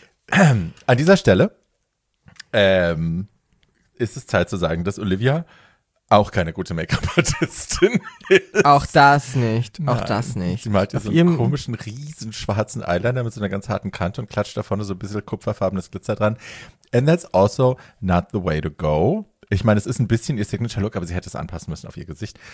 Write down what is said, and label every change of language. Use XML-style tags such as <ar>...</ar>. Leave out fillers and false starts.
<de>An dieser Stelle ist es Zeit zu sagen, dass Olivia auch keine gute Make-up-Artistin ist. Auch das nicht. Auch das nicht. Sie malt hier so einen komischen, riesen schwarzen Eyeliner mit so einer ganz harten Kante und klatscht da vorne so ein bisschen kupferfarbenes Glitzer dran.</de> <en>And that's also not the way to go.</en> <de>Ich meine, es ist ein bisschen ihr Signature-Look, aber sie hätte es anpassen müssen auf ihr Gesicht.</de>